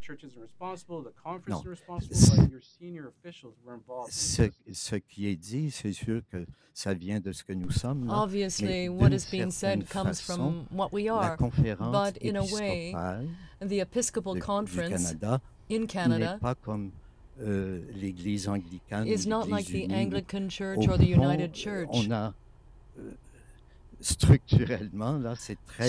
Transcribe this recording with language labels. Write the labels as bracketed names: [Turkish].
[English] the Catholic Church is responsible, the conference is responsible, but your senior officials were involved. [French] Ce qui est dit, c'est sûr que ça vient de ce que nous sommes. [English] Obviously, what is being said comes from what we are. [French] La conférence [English] but in a way, the Episcopal Conference in Canada [French] n'est pas comme l'Église anglicane, [English] is not like the Anglican Church or the United Church. [French] On a, structurellement, là, c'est très